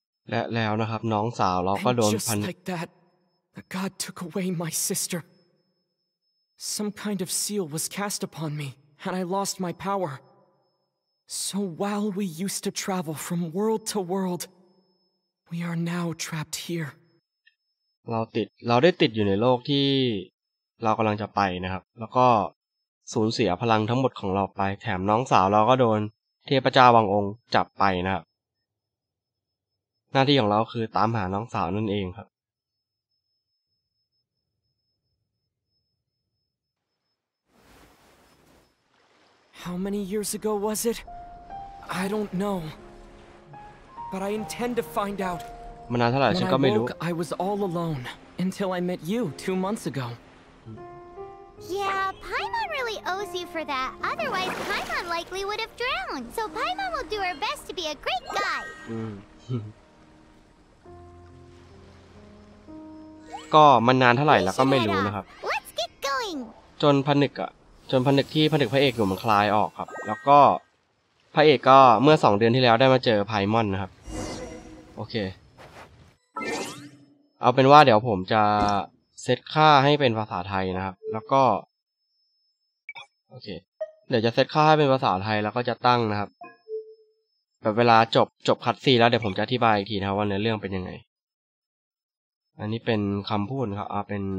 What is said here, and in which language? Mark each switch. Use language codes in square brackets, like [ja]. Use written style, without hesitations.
[th] และแล้วนะครับน้องสาวเราก็โดนพัน [en] The god took away my sister. Some kind of seal was cast upon me, and I lost my power. So while we used to travel from world to world, we are now trapped here. [th] เราได้ติดอยู่ในโลกที่เรากำลังจะไปนะครับแล้วก็สูญเสียพลังทั้งหมดของเราไปแถมน้องสาวเราก็โดนเทพเจ้าวังองค์จับไปนะครับหน้าที่ของเราคือตามหาน้องสาวนั่นเองครับ [en] How many years ago was it? I don't know. But I intend to find out. [th] มานานเท่าไหร่ฉันก็ไม่รู้ [en] I was all alone until I met you 2 months ago. Yeah, Paimon really owes you for that. Otherwise, Paimon likely would have drowned. So Paimon will do her best to be a great guy. [th] ก็มานานเท่าไหร่แล้วก็ไม่รู้นะครับ [en] Let's get going. [th] จนผนึกอะจนผนึกที่ผนึกพระเอกอยู่มันคลายออกครับแล้วก็พระเอกก็เมื่อ2เดือนที่แล้วได้มาเจอไพมอนนะครับโอเคเอาเป็นว่าเดี๋ยวผมจะเซตค่าให้เป็นภาษาไทยนะครับแล้วก็โอเคเดี๋ยวจะเซตค่าให้เป็นภาษาไทยแล้วก็จะตั้งนะครับแบบเวลาจบคัตซีนแล้วเดี๋ยวผมจะอธิบายอีกทีนะครับว่าเนื้อเรื่องเป็นยังไงอันนี้เป็นคำพูดครับเอาเป็